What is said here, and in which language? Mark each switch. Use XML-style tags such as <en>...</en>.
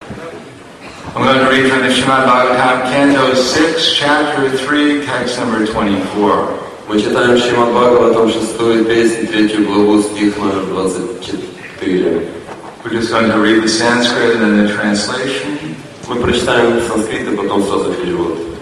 <en>I'm going to read from the Srimad Bhagavatam, Canto 6, Chapter 3, Text Number 24.</en> <ru>Мы читаем Шримад Бхагаватам, 6 песнь, 3 главу, стих номер 24.</ru> <en>We're just going to read the Sanskrit and then the translation.</en> <ru>Мы прочитаем санскрит и потом сразу перевод.</ru>